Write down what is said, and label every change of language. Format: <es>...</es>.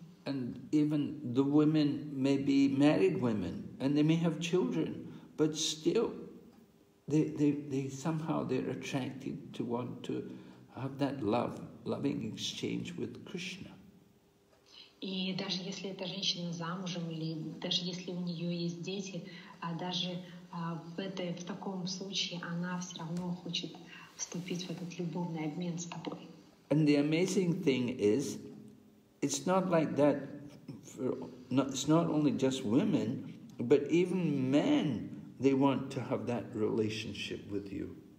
<en>And even the women may be married women, and they may have children, but still, they somehow they're attracted to want to have that loving exchange with Krishna.</en> <ru>И даже если эта женщина замужем, или даже если у нее есть дети, даже в таком случае она все равно хочет вступить в этот любовный обмен с тобой.</ru> <en>And the amazing thing is, it's not like that, it's not only just women, but even men, they want to have that relationship with you.</en>